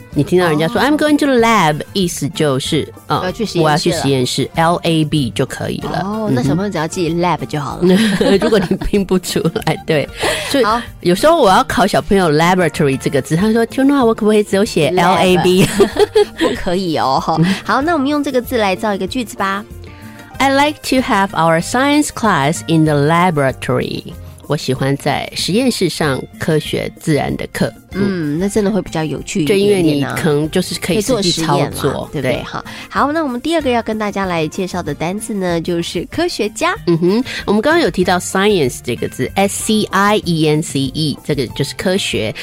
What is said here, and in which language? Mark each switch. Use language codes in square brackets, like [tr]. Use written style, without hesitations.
[zh] 你听到人家说、 [en] I'm going to the lab， [zh] 意思就是、我要去实验室 ，L-A-B 就可以了。哦、那小朋友只要记 lab 就好了。如果你拼不出来，对，所以有时候我要考小朋友 laboratory 这个字，他说 Tuna， 我可不可以只有写 L-A-B？不可以哦。好，那我们用这个字来造一个句子吧。 [en] I like to have our science class in the laboratory. [zh] 我喜欢在实验室上科学自然的课。那真的会比较有趣一点点啊。就因为你可能就是可以实际操作，对不对？好，那我们第二个要跟大家来介绍的单字呢，就是科学家。嗯哼，我们刚刚有提到 science 这个字 ，science， 这个就是科学。